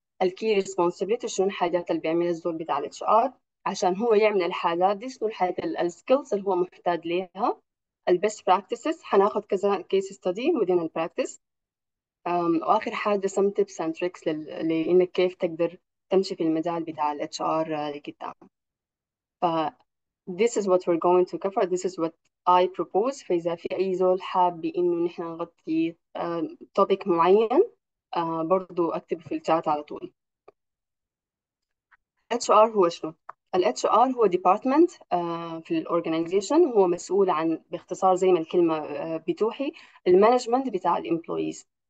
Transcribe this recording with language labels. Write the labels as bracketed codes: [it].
[ar] الكي ريسبونسبيلتي شنو الحاجات اللي بيعملها الزول بتاع الاتشار عشان هو يعمل الحاجات دي، شنو الحاجات السكيلز اللي هو محتاج ليها، البيست براكتسز. حناخد كذا كيس ستدي within البراكتس، واخر حاجه سم تيبس اند تريكس لانك كيف تقدر تمشي في المجال بتاع الاتش ار لقدام. [en] ف this is what we're going to cover, this is what I propose. [ar] فاذا في اي زول حاب بانه نحن نغطي توبيك معين، برضو اكتبه في الشات على طول. اتش ار هو شنو؟ ال HR هو ديبارتمنت في الاورجنايزيشن، هو مسؤول عن باختصار زي ما الكلمه بتوحي المانجمنت بتاع الامبلويز.